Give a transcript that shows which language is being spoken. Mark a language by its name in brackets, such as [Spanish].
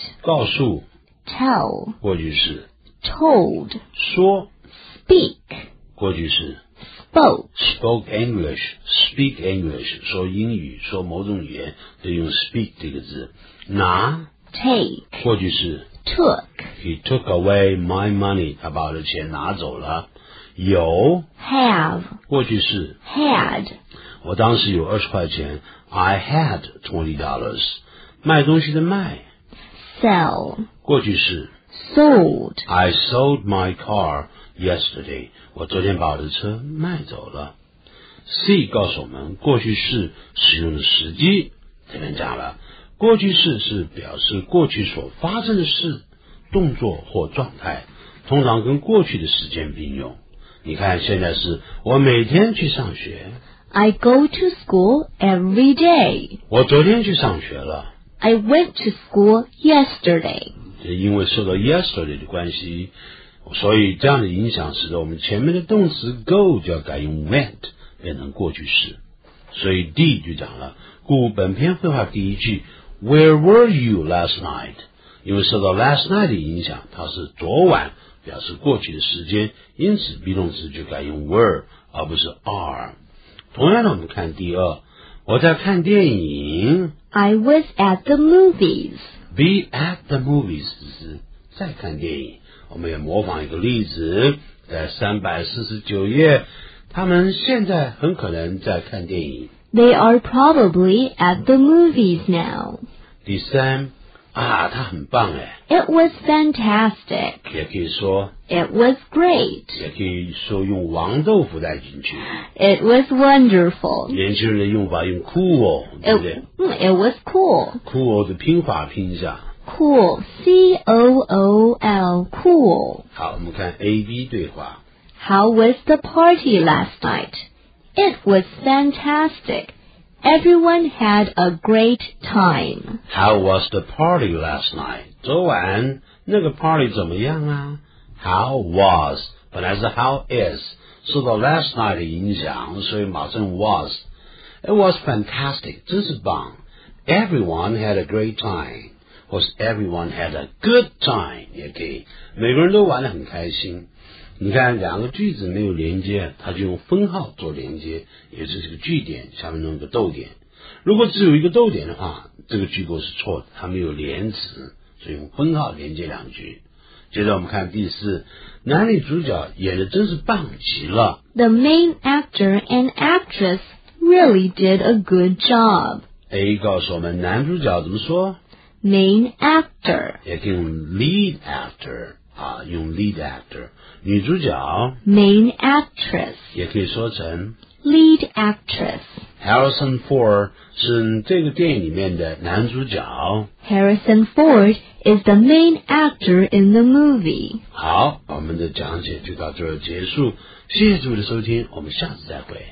[Chinese] 告诉 [English] Tell， [Chinese] 过去式 [English] Told， [Chinese] 说 [English] Speak， [Chinese] 过去式 [English] Spoke English， Speak English， [Chinese] 说英语，说某种语言得用 Speak 这个字。拿 [English] Take， [Chinese] 过去式 [English] Took， He took away my money， [Chinese] 他把我的钱拿走了。有 [English] have， [Chinese] 过去式 [English] had， [Chinese] 我当时有20块钱 [English] I had $20。 [Chinese] 卖东西的卖 [English] sell， [Chinese] 过去式 [English] sold， I sold my car yesterday， [Chinese] 我昨天把我的车卖走了。 see 告诉我们过去式使用的时机，这边讲了过去式是表示过去所发生的事、动作或状态，通常跟过去的时间并用。你看现在是我每天去上学 [English] I go to school every day， [Chinese] 我昨天去上学了 [English] I went to school yesterday， [Chinese] 这因为受到 yesterday 的关系，所以这样的影响使得我们前面的动词 go 就要改用 went， 变成过去式。所以 D 就讲了，故本篇绘画第一句 [English] Where were you last night， [Chinese] 因为受到 last night 的影响，它是昨晚，表示过去的时间，因此 be 动词就改用 were 而不是 are。 同样的，我们看第二，我在看电影。 [English] I was at the movies. Be at the movies [Chinese] 是在看电影。我们也模仿一个例子，在349页，他们现在很可能在看电影。 [English] They are probably at the movies now. [Chinese] 第三，啊，他很棒哎。 [English] It was fantastic. [Chinese] 也可以说。 [English] It was great. [Chinese] 也可以说用王豆腐带进去。 [English] It was wonderful. [Chinese] 年轻人用法用 cool, 对不对？ [English] It was cool. [Chinese] Cool 的拼法拼一下。 [English] Cool, C-O-O-L, cool. [Chinese] 好，我们看 A-B 对话。 [English] How was the party last night? It was fantastic. Everyone had a great time. How was the party last night? [Chinese] 昨晚那个 party 怎么样啊？ How was, 本来是 how is, 受到 last night 的影响，所以马上 was. [English] It was fantastic, [Chinese] 真是棒。 [English] Everyone had a great time. Was everyone had a good time? [Chinese] 也可以，每个人都玩得很开心。你看，两个句子没有连接，它就用分号做连接，也就是个句点，下面弄个逗点。如果只有一个逗点的话，这个句构是错的，它没有连词，所以用分号连接两句。接着我们看第四，男女主角演得真是棒极了。 [English] The main actor and actress really did a good job. [Chinese] A 告诉我们男主角怎么说。 [English] Main actor. [Chinese] 也可以用 [English] lead actor, [Chinese] 啊，用 lead actor. 女主角 [English] Main actress. [Chinese] 也可以说成 [English] Lead actress. [Chinese] Harrison Ford 是这个电影里面的男主角。 [English] Harrison Ford is the main actor in the movie. [Chinese] 好，我们的讲解就到这儿结束。谢谢诸位的收听，我们下次再会。